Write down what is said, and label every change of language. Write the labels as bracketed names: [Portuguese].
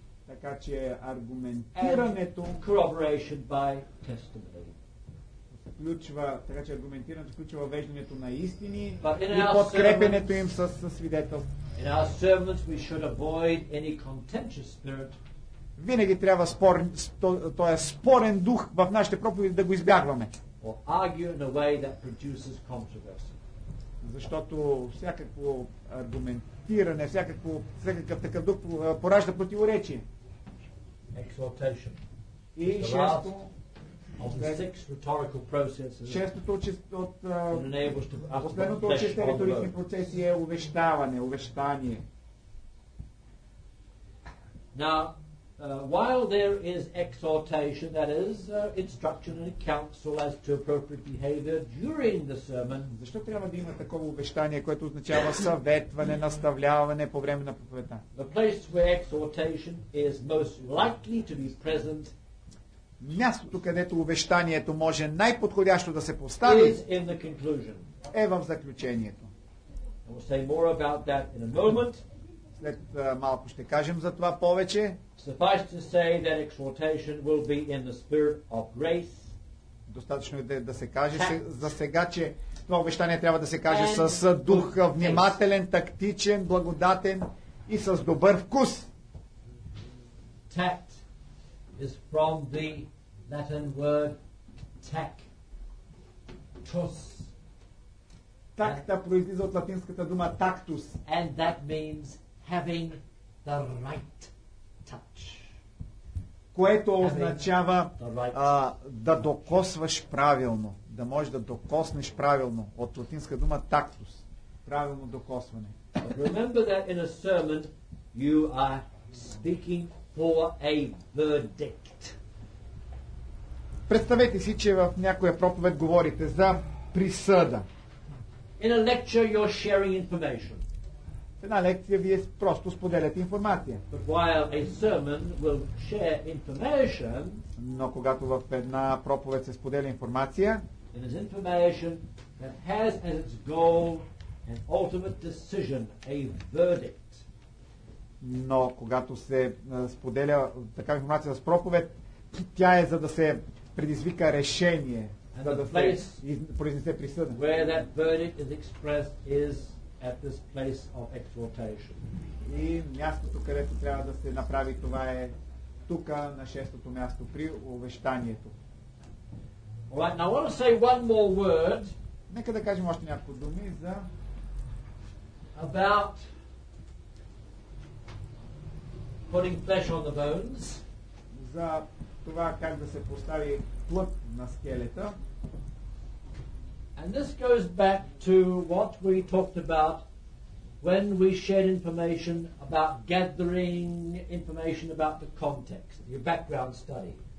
[Bulgarian] Така че аргументирането [English] corroboration by testimony. [Bulgarian] Така че аргументирането включва въвеждането на истини и подкрепенето им с свидетелство. [English] In our sermons we should avoid any contentious spirit. [Bulgarian] Винаги трябва спорен дух в нашите проповеди да го избягваме. [English] Or argue in a way that produces controversy. [Bulgarian] Защото всякакво аргументиране, всякакъв такъв дух поражда противоречие. [English] Exhortation. [Bulgarian] И шесто, [English] of the six rhetorical processes that enables to utter the flesh on the earth. [Bulgarian] Увещание. [English] Now, while there is exhortation, that is, instruction and counsel as to appropriate behavior during the sermon, [Bulgarian] защо трябва да има такова увещание, което означава съветване, наставляване по време на проповедта? [English] The place where exhortation is most likely to be present, [Bulgarian] мястото, където увещанието може най-подходящо да се постави, [English] is in the conclusion. [Bulgarian] Е в заключението. [English] And we'll say more about that in a moment. [Bulgarian] След малко ще кажем за това повече. [English] Suffice to say that exhortation will be in the spirit of grace. [Bulgarian] Достатъчно е да се каже за сега, че това обещание трябва да се каже с дух внимателен, тактичен, благодатен и с добър вкус. [English] Tact is from the Latin word tac. Tus. [Bulgarian] Такта произлиза от латинската дума tactus. [English] And that means having the right touch. [Bulgarian] Което [English] having [Bulgarian] означава [English] right [Bulgarian] да докосваш правилно, да можеш да докоснеш правилно, от латинска дума tactus, правилно докосване. [English] Remember that in a sermon you are speaking for a verdict. [Bulgarian] Представете си, че в някоя проповед говорите за присъда. [English] In a lecture you're sharing information. [Bulgarian] В една лекция вие просто споделяте информация. [English] But while a sermon will share information, [Bulgarian] но когато в една проповед се споделя информация, [English] it is information that has as its goal an ultimate decision, a verdict. [Bulgarian] Но когато се споделя такава информация с проповед, тя е за да се предизвика решение, за да се произнесе присъда. [English] Where that verdict is expressed is at this place of exhortation. [Bulgarian] И мястото, където трябва да се направи това, е тука, на шестото място, при увещанието. [English] All right, now I want to say one more word. [Bulgarian] Нека да кажем още някакво думи за [English] about putting flesh on the bones. [Bulgarian] За това как да се постави плът на скелета. [English] And this goes back to what we talked about when we shared information about gathering information about the context, your background study.